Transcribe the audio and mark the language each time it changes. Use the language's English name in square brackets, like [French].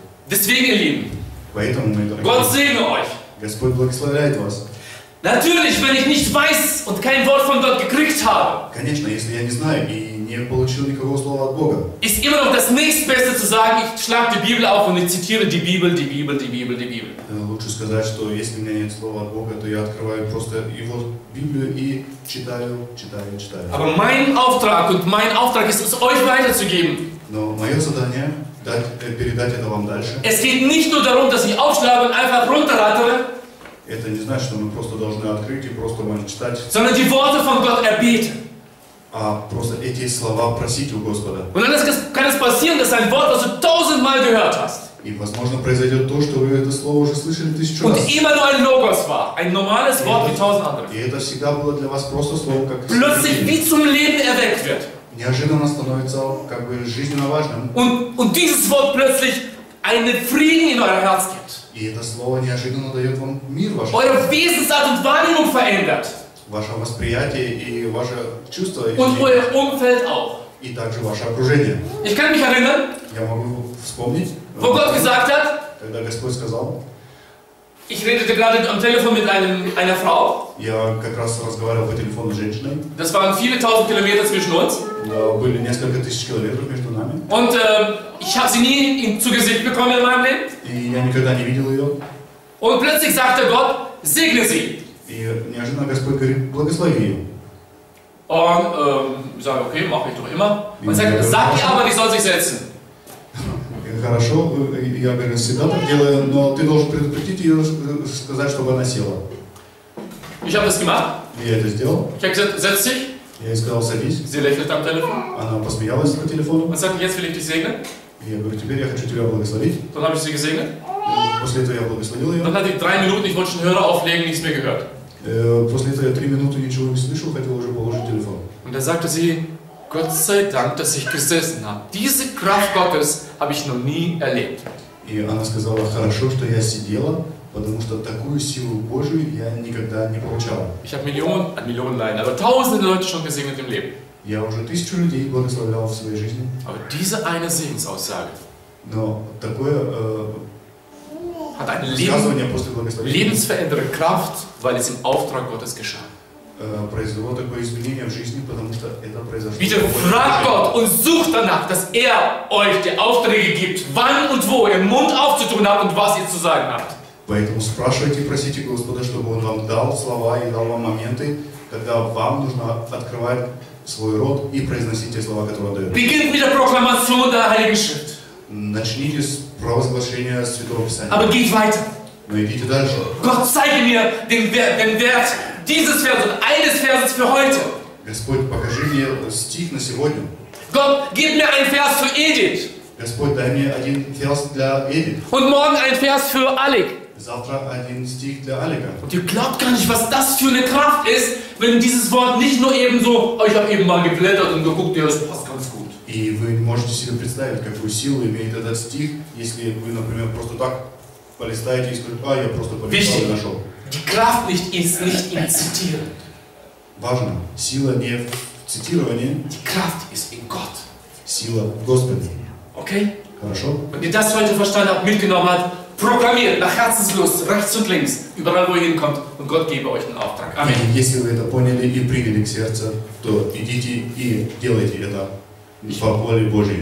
[German] Deswegen, ihr Lieben, Gott segne euch. Natürlich, wenn ich nicht weiß und kein Wort von Gott gekriegt habe. [Russian] Конечно, если я не знаю и не получил никакого слова от Бога. [German] Ist immer noch das nächstbeste zu sagen, ich schlage die Bibel auf und ich zitiere die Bibel, die Bibel, die Bibel, die Bibel. [Russian] Лучше сказать, что если у меня нет слова от Бога, то я открываю просто его Библию и читаю, читаю, читаю. [German] Aber mein Auftrag und mein Auftrag ist es, euch weiterzugeben. [Russian] Но мое задание передать это вам дальше. [German] Es geht nicht nur darum, dass ich aufschlage und einfach runterrattere. [Russian] Это не значит, что мы просто должны открыть и просто можем читать. [German] Sondern die Worte von Gott erbeten. [Russian] А просто эти слова просить у Господа. [German] Und dann kann es passieren, dass ein Wort, das du tausendmal gehört hast. [Russian] И возможно произойдет то, что вы это слово уже слышали тысячу [German] und [Russian] раз. [German] Und immer nur ein Logos war, ein normales Wort wie tausend andere. [Russian] И это всегда было для вас просто слово, как [German] Plötzlich wie zum Leben erweckt wird. [Russian] Неожиданно становится как бы жизненно важным. [German] Und dieses Wort plötzlich einen Frieden in euer Herz gibt. [Russian] И это слово неожиданно дает вам мир ваш. [German] Eure Wesensart und Wahrnehmung verändert. [Russian] Ваше восприятие и ваше чувство. [German] Und euer Umfeld auch. [Russian] И также ваше окружение. [German] Ich kann mich erinnern. [Russian] Я могу вспомнить. [German] Wo Gott gesagt hat. [Russian] Когда Господь сказал. [German] Ich redete gerade am Telefon mit einer Frau. [Russian] Я как раз разговаривал по телефону с женщиной. [German] Das waren viele tausend Kilometer zwischen uns. [Russian] Da были несколько тысяч километров между нами. [German] Und ich habe sie nie zu Gesicht bekommen in meinem Leben. [Russian] И я никогда не видел ее. [German] Und plötzlich sagte Gott, segne sie. [Russian] И неожиданно Господь говорит, благослови ее. [German] Und ich sage, okay, mache ich doch immer. Und sagt, sag ihr aber, die soll sich setzen. [Russian] Хорошо, я говорю, всегда так делаю, но ты должен предупредить ее, сказать, чтобы она села. [German] Ich habe das gemacht. [Russian] Я это сделал. [German] Ich habe gesagt, setz dich. [Russian] Я ей сказал, садись. [German] Sie lächelt am Telefon. [Russian] Она посмеялась по телефону. [German] Und sagt, jetzt will ich dich segnen. [Russian] Я говорю, теперь я хочу тебя благословить. [German] Dann habe ich sie gesegnet. [Russian] После этого я благословил ее. [German] Dann hatte ich drei Minuten, ich wollte schon Hörer auflegen, nichts mehr gehört. [Russian] После этого я три минуты ничего не слышал, хотел уже положить телефон. [German] Und da sagte sie, Gott sei Dank, dass ich gesessen habe. Diese Kraft Gottes habe ich noch nie erlebt. [Russian] И она сказала, хорошо, что я сидела, потому что такую силу Божию я никогда не получала. [German] Ich habe Millionen Leiden, aber tausende Leute schon gesegnet im Leben. [Russian] Я уже тысячу людей благословлял в своей жизни. [German] Aber diese eine Segensaussage. [Russian] Но такое [German] hat ein Leben, [Russian] после благословения [German] lebensverändernde Kraft, weil es im Auftrag Gottes geschah. [Russian] Произвело такое изменение в жизни, потому что это произошло. [German] Bitte frag Gott und sucht danach, dass er euch die Aufträge gibt, wann und wo ihr Mund aufzutun habt und was ihr zu sagen habt. [Russian] Поэтому спрашивайте, просите Господа, чтобы он вам дал слова и дал вам моменты, когда вам нужно открывать свой рот и произносить те слова, которые он дает. [German] Beginnt mit der Proklamation der Heiligen Schrift. [Russian] Начните с провозглашения Святого Писания. [German] Aber geht weiter. [Russian] Но идите дальше. [German] Gott zeige mir den Wert dieses Verses und eines Verses für heute. [Russian] Господь, покажи мне стих на сегодня. [German] Gott, gib mir einen Vers für Edith. [Russian] Господь, дай мне один Vers для Edith. [German] Und morgen einen Vers für Alec. [Russian] Завтра один стих для Алика. [German] Und ihr glaubt gar nicht, was das für eine Kraft ist, wenn dieses Wort nicht nur eben so, ich habe eben mal geblättert und geguckt, ja, das passt ganz gut. [Russian] И вы не можете себе представить, какую силу имеет этот стих, если вы, например, просто так полистаете и скажете, а, я просто полистал и нашел. [German] Die Kraft nicht ist nicht im Zitieren. [Russian] Важно. Сила не в цитировании. [German] Die Kraft ist in Gott. [Russian] Сила в Господе. [German] Okay? [Russian] Хорошо. [German] Wenn ihr das heute verstanden habt, mitgenommen habt, proklamiert nach Herzenslust, rechts und links, überall wo ihr hinkommt, und Gott gebe euch einen Auftrag. Amen. [Russian] Und если вы это поняли и приняли к сердцу, то идите и делайте это по воле Божьей.